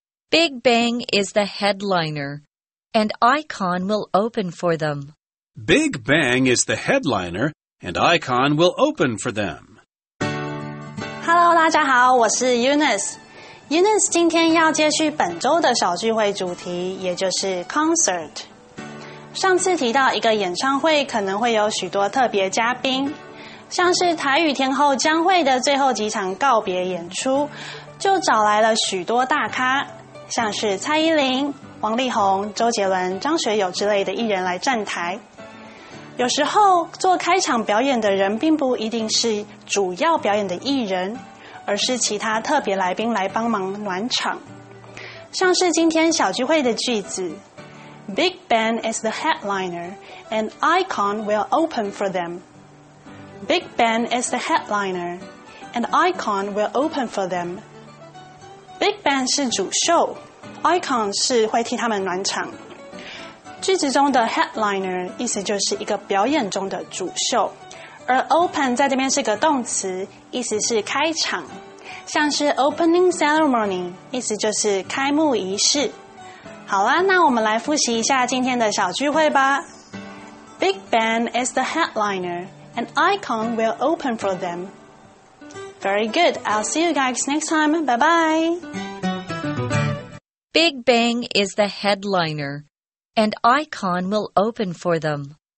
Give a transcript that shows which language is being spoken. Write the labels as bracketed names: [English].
[English] Big Bang is the headliner, and Icon will open for them. Big Bang is the headliner, and Icon will open for them. [Chinese] Hello, 大家好，我是 Eunice。Eunice 今天要接续本周的小聚会主题，也就是 concert。上次提到一个演唱会可能会有许多特别嘉宾。像是台语天后江蕙的最后几场告别演出，就找来了许多大咖，像是蔡依林、王力宏、周杰伦、张学友之类的艺人来站台。有时候做开场表演的人并不一定是主要表演的艺人，而是其他特别来宾来帮忙暖场。像是今天小聚会的句子 ， [English] Big Bang is the headliner, and Icon will open for them. Big Bang is the headliner, and Icon will open for them. [Chinese] Big Bang 是主秀 ，Icon 是会替他们暖场。句子中的 headliner 意思就是一个表演中的主秀，而 open 在这边是个动词，意思是开场，像是 opening ceremony 意思就是开幕仪式。好啦，那我们来复习一下今天的小聚会吧。 [English] Big Bang is the headliner. An icon will open for them. Very good. I'll see you guys next time. Bye-bye. Big Bang is the headliner. An icon will open for them.